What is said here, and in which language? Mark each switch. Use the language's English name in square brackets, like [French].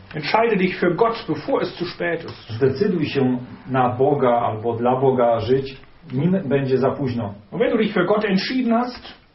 [German] Entscheide dich für Gott, bevor es zu spät ist. [Polish] Zdecyduj się na Boga albo dla Boga żyć, nim będzie za późno. [German] Und wenn du dich für Gott entschieden hast,